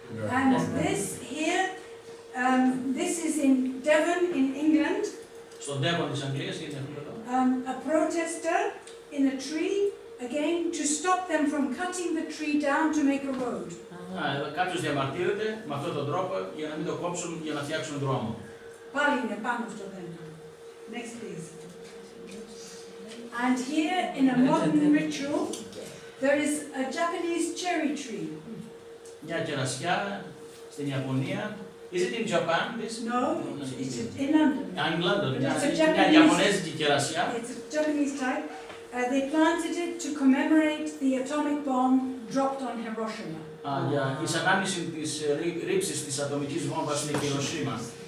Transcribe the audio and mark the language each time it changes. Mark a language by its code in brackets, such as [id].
[en] And this here, this is in Devon, in England. So Devon is English, isn't it? A protester in a tree. Again, to stop them from cutting the tree down to make a road. [el] Κάποιος διαμαρτύρεται με αυτόν τον τρόπο για να μην το κόψουν για να φτιάξουν δρόμο. Πάλι είναι πάνω στο δέντρο. [en] Next, please. And here, in a modern ritual, there is a Japanese cherry tree. [el] Μια κερασιά στην Ιαπωνία. [en] Is it in Japan, this? No, it's in London. In London, it's a Japanese κερασιά. It's a Japanese type. They planted it to commemorate the atomic bomb dropped on Hiroshima. Yeah, it's [el] ανάμιση της ρήψης της ατομικής βόμβας στην Hiroshima.